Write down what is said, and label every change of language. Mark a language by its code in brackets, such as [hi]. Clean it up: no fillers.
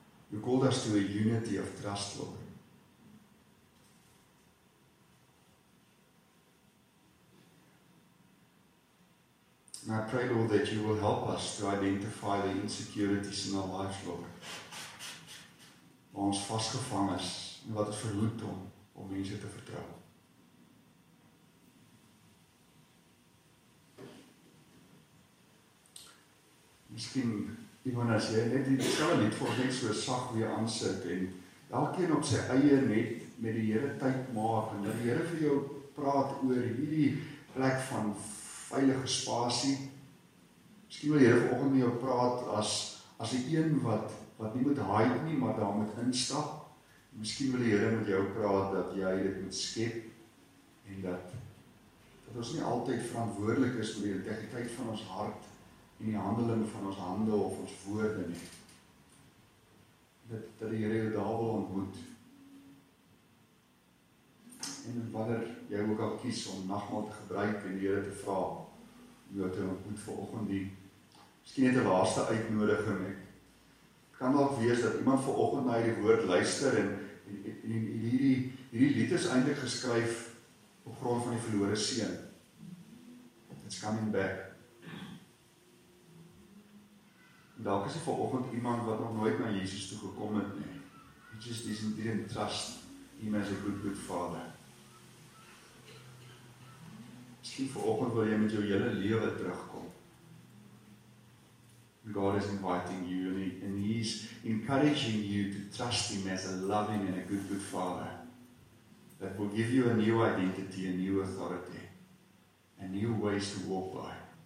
[en] You called us to a unity of trust, Lord. And I pray, Lord, that you will help us to identify the insecurities in our lives, Lord. [af] Waar ons vastgevang is en wat het verhoed om mense te vertrou. Misschien, iemand as jy net die skille lied voor net so sacht weer aansit en elkeen op sy eie net met die Here tyd maak en dat die Here vir jou praat oor hierdie plek van veilige spasie. Misschien wil jy vanoggend met jou praat as die een wat nie moet hide nie, maar daar moet instap. Misschien wil jy met jou praat dat jy dit moet skep en dat ons nie altyd verantwoordelik is vir die integriteit van ons hart en die handeling van ons hande of ons woorde nie. Dat die Here jou daar wil ontmoet. En wanneer jy ook al kies om nagmaal te gebruik en die Here te vra, jou te ontmoet vanoggend die. Miskien net 'n laaste uitnodiging. Ek kan dalk wees dat iemand vanoggend na hierdie woord luister en hierdie lied is eintlik geskryf op grond van die verlore seun. [en] It's coming back. [af] Dalk is hier vanoggend iemand wat nog nooit na Jesus toe gekom het nie. [en] He just didn't trust him as a good father. [af] Miskien vanoggend wil jy met jou hele lewe terugkom. [en] God is inviting you and he's encouraging you to trust him as a loving and a good father that will give you a new identity, a new authority, and new ways to walk by.